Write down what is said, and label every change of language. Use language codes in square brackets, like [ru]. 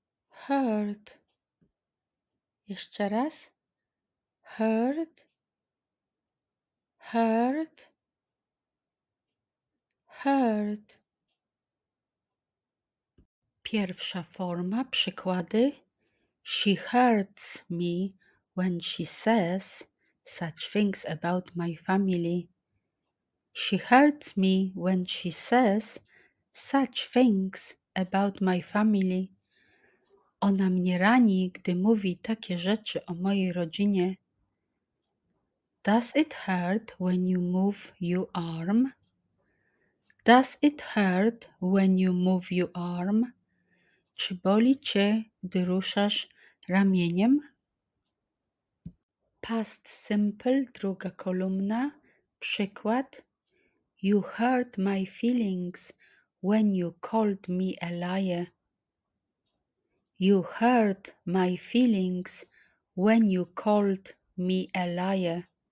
[en] Hurt. [pl] Jeszcze raz. [en] Hurt. Hurt. Hurt. [pl] Pierwsza forma, przykłady. [en] She hurts me when she says such things about my family. She hurts me when she says such things about my family. [pl] Ona mnie rani, gdy mówi takie rzeczy o mojej rodzinie. [en] Does it hurt when you move your arm? Does it hurt when you move your arm? [pl] Czy boli cię, gdy ruszasz ramieniem? Past simple, druga kolumna, przykład. [en] You hurt my feelings when you called me a liar. You hurt my feelings when you called me a liar.